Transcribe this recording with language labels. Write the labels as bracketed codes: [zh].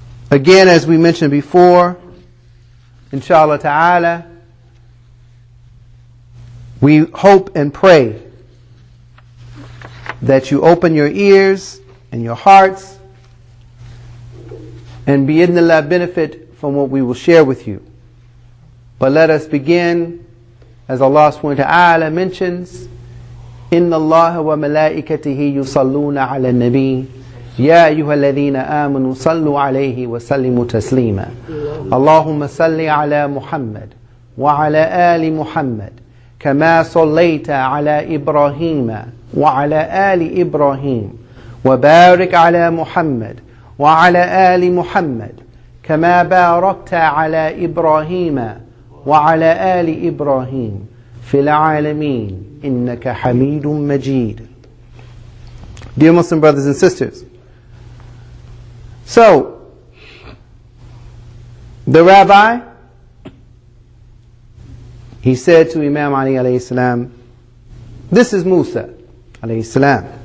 [en] Again, as we mentioned before, inshallah ta'ala, we hope and pray that you open your ears and your hearts and be in the lab benefit from what we will share with you. But let us begin, as Allah subhanahu wa ta'ala mentions, [ar] إِنَّ اللَّهَ وَمَلَائِكَتِهِ يُصَلُّونَ عَلَى النَّبِيِّ يَا أَيُّهَا الَّذِينَ آمَنُوا صَلُّوا عَلَيْهِ وَسَلِّمُوا تَسْلِيمًا اللهم صل على محمد وعلى آل محمد كما صليت على إبراهيم وعلى آل إبراهيم وبارك على محمد وعلى آل محمد كما باركت على إبراهيم وعلى آل إبراهيم في العالمين إنك حميد مجيد. [en] Dear Muslim brothers and sisters, so the rabbi, he said to Imam Ali alayhi salam, this is Musa alayhi salam.